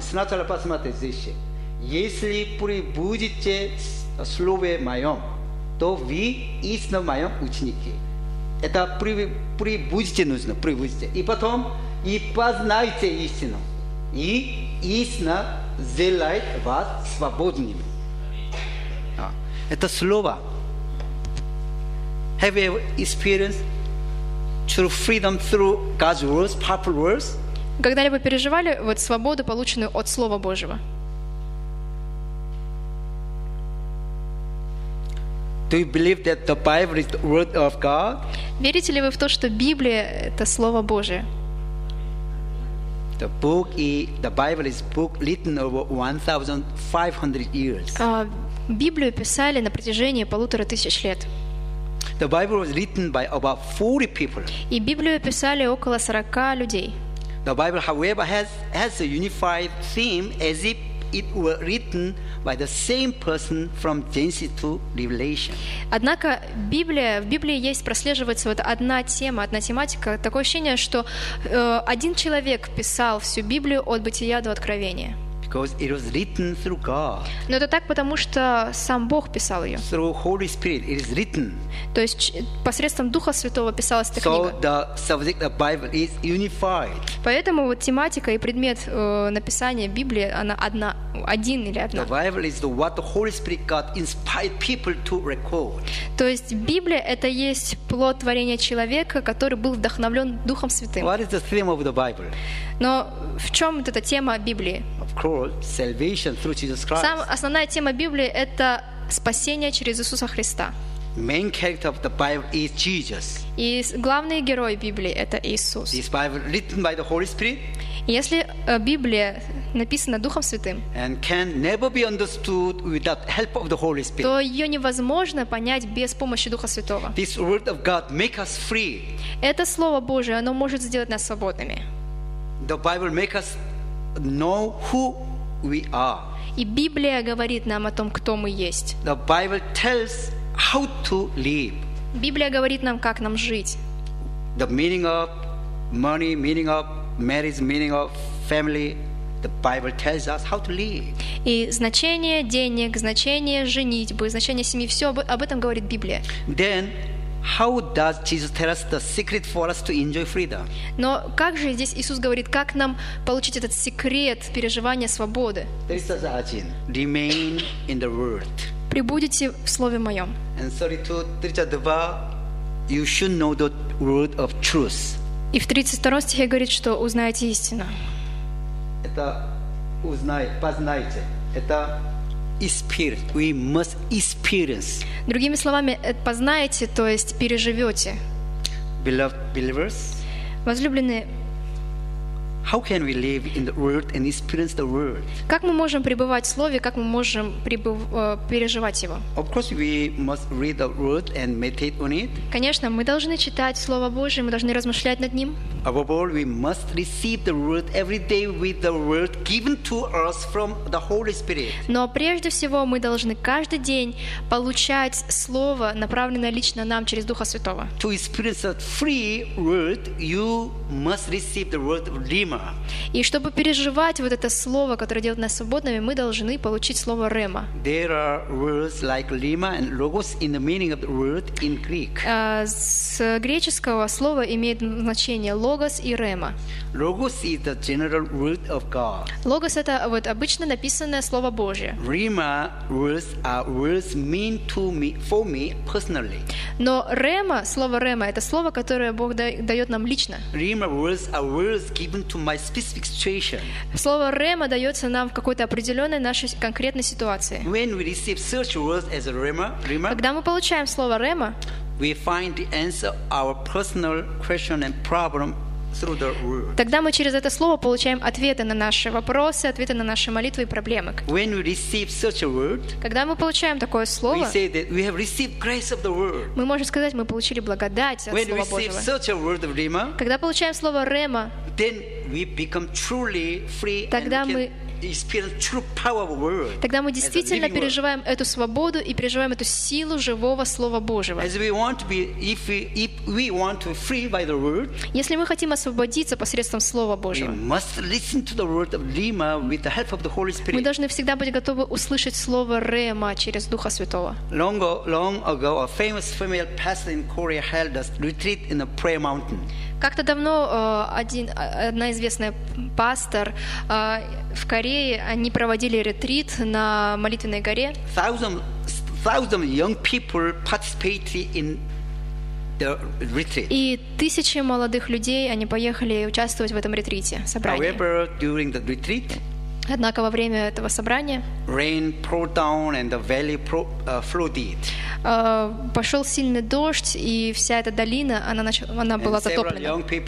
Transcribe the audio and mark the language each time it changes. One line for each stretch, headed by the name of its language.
Russian: Сначала посмотрите здесь. «Если пребудете в Слове Моем, то вы истинно Мои ученики». Это «пребудете» нужно, «пребудете». И потом «и познаете истину, и истина сделает вас свободными». Это слово.
English: Have you experienced true freedom through God's words, powerful words?
Russian: Когда-либо переживали вот свободу, полученную от Слова Божьего?
English: Do you believe that the Bible is the word of God?
Russian: Верите ли вы в то, что Библия — это Слово Божие?
English: The book is the Bible is book written over 1,500 years.
Russian: Библию писали на протяжении 1500 лет.
English: The Bible was written by about 40 people.
Russian: И Библию писали около 40 людей.
English: The Bible, however, has a unified theme as if it were written by the same person from Genesis to Revelation.
Russian: Однако в Библии есть прослеживается вот одна тематика, такое ощущение, что один человек писал всю Библию от Бытия до Откровения.
English: Because it was written through God.
Russian: Но это так, потому что сам Бог писал ее.
English: Through Holy Spirit, it is written.
Russian: То есть посредством Духа Святого писалась эта
English: so
Russian: книга.
English: The subject of Bible is unified.
Russian: Поэтому вот тематика и предмет написания Библии она одна, один или одна.
English: The Bible is the what the Holy Spirit God inspired people to record.
Russian: То есть Библия это есть плод творения человека, который был вдохновлен Духом Святым.
English: What is the theme of the Bible?
Russian: Но в чем вот эта тема Библии?
English: Salvation through Jesus Christ.
Russian: Сам основная тема Библии это спасение через Иисуса Христа.
English: Main character of the Bible is Jesus.
Russian: И главный герой Библии это Иисус.
English: This Bible written by the Holy Spirit.
Russian: Если Библия написана Духом Святым,
English: and can never be understood without help of the Holy Spirit.
Russian: То ее невозможно понять без помощи Духа Святого.
English: This word of God make us free.
Russian: Это слово Божие, оно может сделать нас свободными.
English: The Bible make us know who we are.
Russian: И Библия говорит нам о том, кто мы есть.
English: The Bible tells how to live. Библия говорит нам, как нам жить. The meaning of money, meaning of marriage, meaning of family. The Bible tells us how to live.
Russian: И значение денег, значение женитьбы, значение семьи, все об этом говорит Библия.
English: Then how does Jesus tell us the secret for us to enjoy freedom?
Russian: Но как же здесь Иисус говорит, как нам получить этот секрет переживания свободы?
English: There is
Russian: один.
English: Remain in the word.
Russian: Прибудете в Слове Моем.
English: And 32, you should know the word of truth.
Russian: И в 32 стихе говорит, что узнаете истину. Это познайте. Это
English: experience. We must experience.
Russian: Другими словами, познаете, то есть переживете.
English: Beloved believers,
Russian: возлюбленные,
English: how can we live in the world and experience the world?
Russian: Как мы можем пребывать в Слове, как мы можем переживать его?
English: Of course, we must read the word and meditate on it.
Russian: Конечно, мы должны читать Слово Божие, мы должны размышлять над ним.
English: Above all, we must receive the word every day with the word given to us from the Holy Spirit.
Russian: Но прежде всего мы должны каждый день получать Слово, направленное лично нам через Духа Святого.
English: To experience a free word, you must receive the word Rema.
Russian: И чтобы переживать вот это Слово, которое делает нас свободными, мы должны получить Слово Рема.
English: There are words like Rema and Logos in the meaning of the word in Greek.
Russian: С греческого слова имеет значение Логос и Рема.
English: Logos is the general word of God.
Russian: Логос это вот обычно написанное слово Божье.
English: Rema words are words mean to me for me personally.
Russian: Но Рема, слово Рема это слово, которое Бог дает нам лично.
English: Rema words are words given to my specific situation.
Russian: Слово Рема дается нам в какой-то определенной нашей конкретной ситуации.
English: When we receive such words as Rema,
Russian: когда мы получаем слово Рема,
English: we find the answer our personal question and problem through the word.
Russian: Тогда мы через это слово получаем ответы на наши вопросы, ответы на наши молитвы и проблемы.
English: When we receive such a word,
Russian: когда мы получаем такое слово,
English: we say that we have received grace of the word.
Russian: Мы можем сказать, мы получили благодать от
English: when
Russian: слова Божьего.
English: When we receive such a word of Rema,
Russian: когда получаем слово Рема,
English: then we become truly free.
Russian: Тогда мы
English: experience true power of word.
Russian: Тогда мы действительно переживаем эту свободу и переживаем эту силу живого Слова Божьего.
English: As we want to be, if we want to be free by the word,
Russian: если мы хотим освободиться посредством Слова Божьего,
English: we must listen to the word of Rema with the help of the Holy Spirit.
Russian: Мы должны всегда быть готовы услышать слово Рема через Духа Святого.
English: Long ago, a famous female pastor in Korea held a retreat in a prayer mountain.
Russian: Как-то давно одна известная пастор в Корее, они проводили ретрит на молитвенной горе.
English: Thousands of young people participated in the retreat.
Russian: И тысячи молодых людей, они поехали участвовать в этом ретрите, собрании.
English: However, during the retreat,
Russian: однако во время этого собрания
English: rain poured down and the valley flooded.
Russian: Пошел сильный дождь, и вся эта долина, она была затоплена.